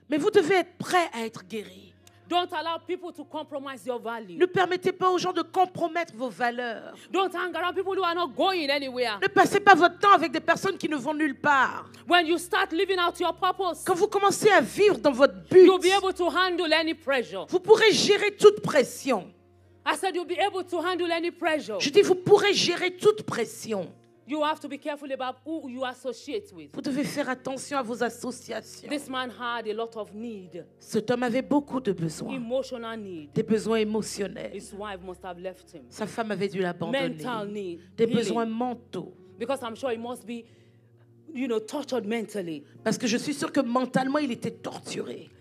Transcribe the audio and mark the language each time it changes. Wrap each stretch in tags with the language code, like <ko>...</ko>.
<fr>Mais vous devez être prêt à être guéri.</fr> <en>Don't allow people to compromise your value.</en> <fr>Ne permettez pas aux gens de compromettre vos valeurs.</fr> <en>Don't hang around people who are not going anywhere.</en> <fr>Ne passez pas votre temps avec des personnes qui ne vont nulle part.</fr> <en>When you start living out your purpose,</en> <fr>quand vous commencez à vivre dans votre but,</fr> <en>you'll be able to handle any pressure.</en> <fr>Vous pourrez gérer toute pression.</fr> <en>I said you'll be able to handle any pressure.</en> <fr>Je dis vous pourrez gérer toute pression.</fr> <en>You have to be careful about who you associate with.</en> <fr>Vous devez faire attention à vos associations.</fr> <en>This man had a lot of need.</en> <fr>Cet homme avait beaucoup de besoins.</fr> <en>Emotional need.</en> <fr>Des besoins émotionnels.</fr> <en>His wife must have left him.</en> <fr>Sa femme avait dû l'abandonner.</fr> <en>Mental need.</en> <fr>Des</fr> <en>healing.</en> <fr>Besoins mentaux.</fr> <en>Because I'm sure he must be, you know, tortured mentally.</en> <fr>Parce que je suis sûr que mentalement il était torturé.</fr>